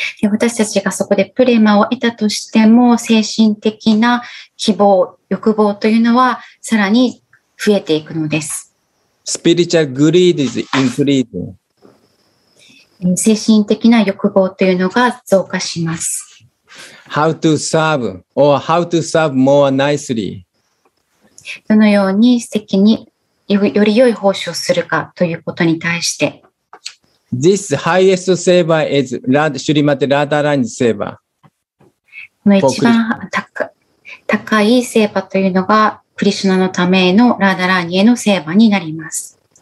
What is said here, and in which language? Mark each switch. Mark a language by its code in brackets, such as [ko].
[ja] 私たちがそこでプレマを得たとしても、精神的な希望、欲望というのはさらに増えていくのです。 [en] Spiritual greed is increasing. [ja] 精神的な欲望というのが増加します。 [en] How to serve or how to serve more nicely? [ja] どのように素敵に。より良い奉仕をするかということに対して [en] This highest saver is Shrimati Radharani saver. [ja] この一番高いセーバーというのがクリシュナのためのラダラーニへのセーバーになります。